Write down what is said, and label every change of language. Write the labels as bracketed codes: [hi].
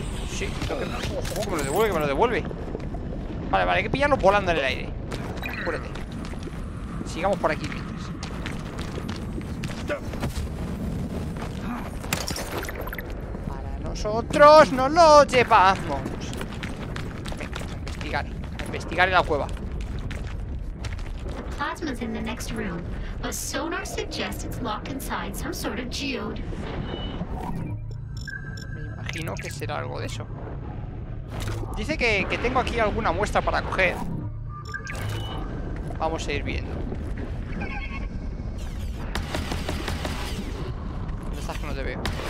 [es] Sí, ojo que me lo devuelve, Vale, hay que pillarlo volando en el aire. Acuérdate. Sigamos por aquí mientras. Para nosotros nos lo llevamos. Venga, a investigar en la cueva. [en] Plasma's in the next room, but sonar suggests it's locked inside some sort of geode. [es] Me imagino que será algo de eso. Dice que tengo aquí alguna muestra para coger. Vamos a ir viendo. te veo.